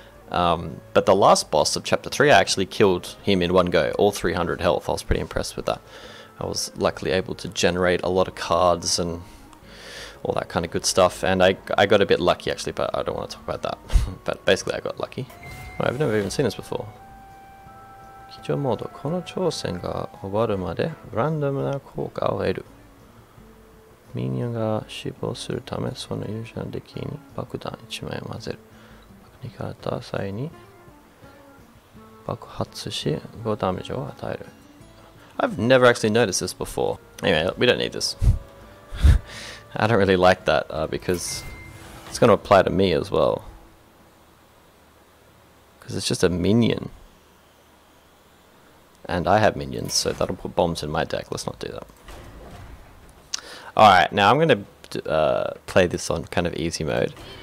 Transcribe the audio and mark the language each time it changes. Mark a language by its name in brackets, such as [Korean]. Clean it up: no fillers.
[English] But the last boss of chapter 3, I actually killed him in one go, all 300 health. I was pretty impressed with that. I was luckily able to generate a lot of cards and all that kind of good stuff. And I got a bit lucky actually, but I don't want to talk about that. But basically I got lucky. I've never even seen this before. [Japanese] 貴重モード。この挑戦が終わるまでランダムな効果を得る。ミニオンが死亡するためその勇者の敵に爆弾1枚を混ぜる。爆弾を与えた際に爆発し5ダメージを与える。 [English] I've never actually noticed this before. Anyway, we don't need this. I don't really like that, because it's going to apply to me as well. Because it's just a minion. And I have minions, so that'll put bombs in my deck. Let's not do that. Alright, now I'm going to play this on kind of easy mode.